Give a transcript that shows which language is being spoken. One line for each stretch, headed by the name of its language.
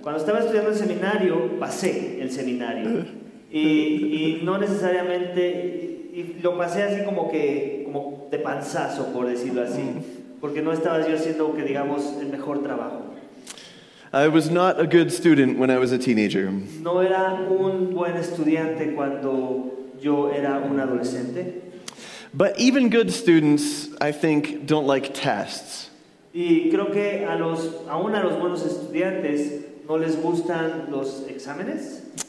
Spanish: Cuando estaba estudiando el seminario, pasé el seminario. Y no necesariamente, y lo pasé así como de panzazo, por decirlo así. Porque no estaba yo haciendo, que digamos, el mejor trabajo.
English: I was not a good student when I was a teenager.
Spanish: No era un buen estudiante cuando yo era un adolescente.
English: But even good students, I think, don't like tests.
Spanish: Y creo que aun a los buenos estudiantes no les gustan los exámenes.